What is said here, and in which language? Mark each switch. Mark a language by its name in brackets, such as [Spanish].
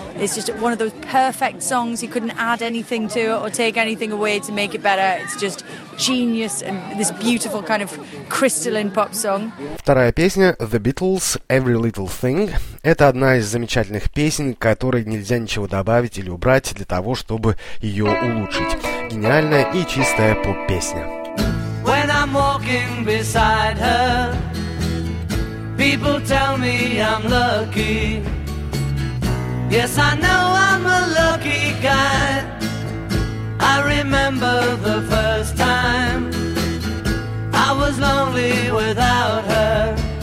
[English] It's just one of those perfect songs. You couldn't add anything to it or take anything away to make it better. It's just genius and this beautiful kind of crystalline pop song. [Russian] Вторая песня The Beatles, Every Little Thing. Это одна из замечательных песен, которой нельзя ничего добавить или убрать для того, чтобы ее улучшить. Гениальная и чистая поп-песня. [English] When I'm walking beside her, people tell me I'm lucky. Yes, I know I'm a lucky guy. I remember the first time I was lonely without her.